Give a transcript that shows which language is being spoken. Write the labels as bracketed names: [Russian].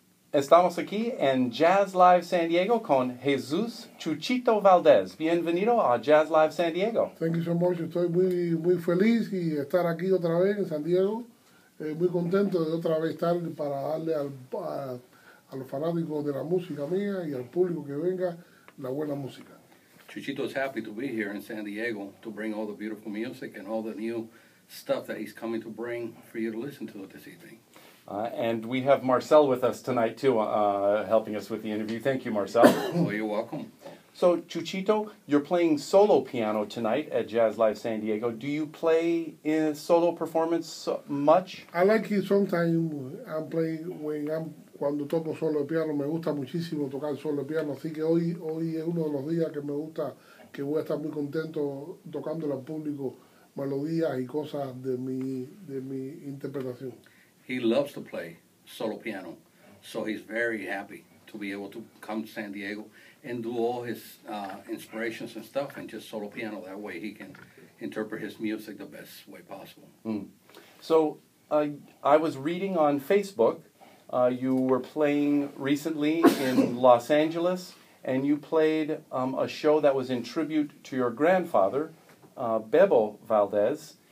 [Spanish] Estamos aquí en Jazz Live San Diego con Jesús Chuchito Valdes. Bienvenido a Jazz Live San Diego. [English] Thank you so much. [Spanish] Estoy muy, muy feliz y estar aquí otra vez en San Diego. Muy contento de otra vez estar para darle a los fanáticos de la música mía y al público que venga la buena música. [English] Chuchito is happy to be here in San Diego to bring all the beautiful music and all the new stuff that he's coming to bring for you to listen to this evening. And we have Marcel with us tonight, too, helping us with the interview. Thank you, Marcel. Oh, you're welcome. So, Chuchito, you're playing solo piano tonight at Jazz Live San Diego. Do you play in solo performance much? I like it sometimes. I play when I'm, [Spanish] cuando toco solo piano. Me gusta muchísimo tocar solo piano. Así que hoy es uno de los días que me gusta, que voy a estar muy contento tocando al público melodías y cosas de mi interpretación. [English] He loves to play solo piano, so he's very happy to be able to come to San Diego and do all his inspirations and stuff and just solo piano. That way he can interpret his music the best way possible. Mm. So I was reading on Facebook, you were playing recently in Los Angeles, and you played a show that was in tribute to your grandfather, Bebo Valdez.